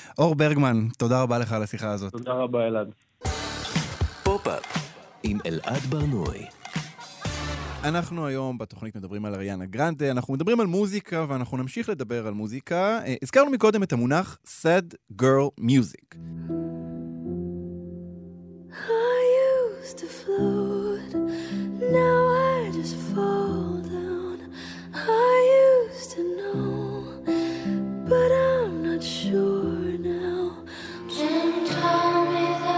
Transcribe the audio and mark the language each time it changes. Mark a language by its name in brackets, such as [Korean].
[Hebrew] אור ברגמן, תודה רבה לך על השיחה הזאת. תודה רבה, אלעד. עם אלעד ברנועי. אנחנו היום בתוכנית מדברים על אריאנה גרנדה, אנחנו מדברים על מוזיקה ואנחנו נמשיך לדבר על מוזיקה. הזכרנו מקודם את המונח Sad Girl Music. [English] I used to float, now I just fall down. I used to know, but I'm not sure now. Jim told me